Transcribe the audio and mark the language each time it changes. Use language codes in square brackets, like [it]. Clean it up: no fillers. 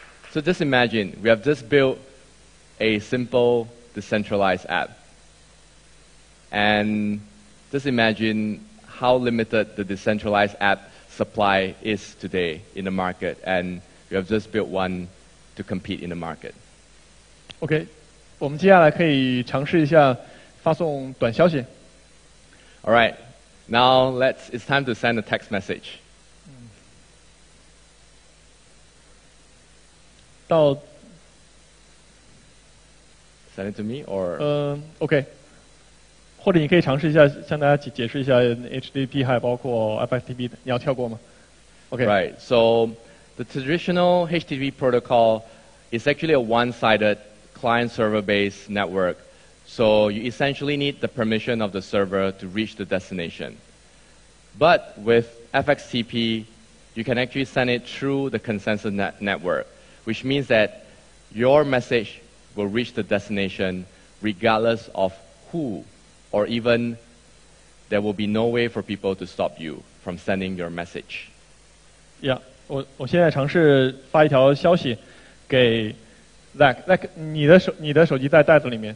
[en] So just imagine, we have just built a simple decentralized app. And just imagine how limited the decentralized app supply is today in the market. And we have just built one to compete in the market. [zh] Okay, 我们接下来可以尝试一下发送短消息. [en] All right, now it's time to send a text message. [zh] 到 [en] Send it to me or? [zh] Okay, 或者你可以尝试一下向大家解释一下 HTTP 还有包括 FSTP 你要跳过吗? [en] Okay. Right, so the traditional HTTP protocol is actually a one-sided client-server-based network. So you essentially need the permission of the server to reach the destination. But with FXTP, you can actually send it through the consensus network, which means that your message will reach the destination regardless of who, or even there will be no way for people to stop you from sending your message. [zh] Yeah, 我现在尝试发一条消息。给 Zach 你的手机在袋子里面